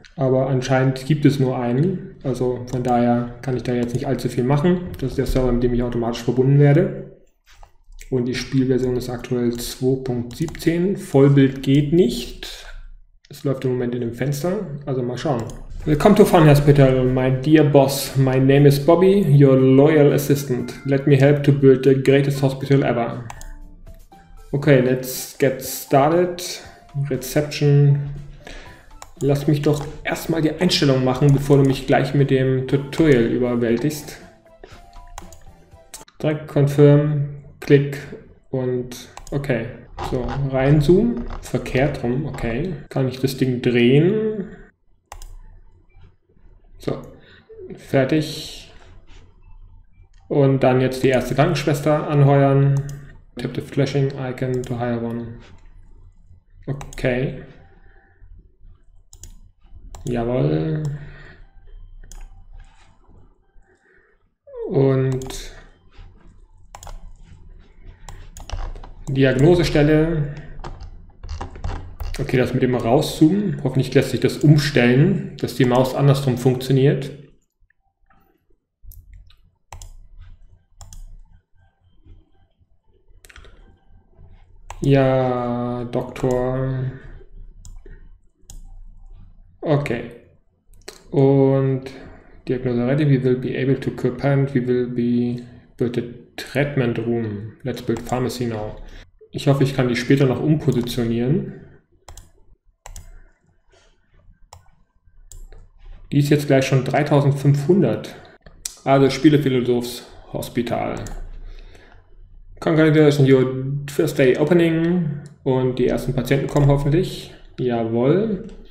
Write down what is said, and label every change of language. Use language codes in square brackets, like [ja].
[de] Aber anscheinend gibt es nur einen. Also von daher kann ich da jetzt nicht allzu viel machen. Das ist der Server, mit dem ich automatisch verbunden werde. Und die Spielversion ist aktuell 2.17. Vollbild geht nicht. Es läuft im Moment in dem Fenster. Also mal schauen. [en] Willkommen to Fun Hospital, my dear boss. My name is Bobby, your loyal assistant. Let me help to build the greatest hospital ever. Okay, let's get started. Reception. [de] Lass mich doch erstmal die Einstellung machen, bevor du mich gleich mit dem Tutorial überwältigst. Direkt confirm, klick und okay. So, reinzoomen. Verkehrt rum, okay. Kann ich das Ding drehen? So, fertig. Und dann jetzt die erste Krankenschwester anheuern. [en] Tap the flashing icon to hire one. Okay. [de] Jawohl. Und Diagnosestelle. Okay, das mit dem Rauszoomen. Hoffentlich lässt sich das umstellen, dass die Maus andersrum funktioniert. Ja, Doktor. Okay. Und Diagnose ready. [en] We will be able to prepare. We will be built a treatment room. Let's build pharmacy now. [de] Ich hoffe, ich kann die später noch umpositionieren. Die ist jetzt gleich schon 3500. Also Spielephilosophs Hospital. [en] Congratulations, your first day opening. [de] Und die ersten Patienten kommen hoffentlich. Jawohl.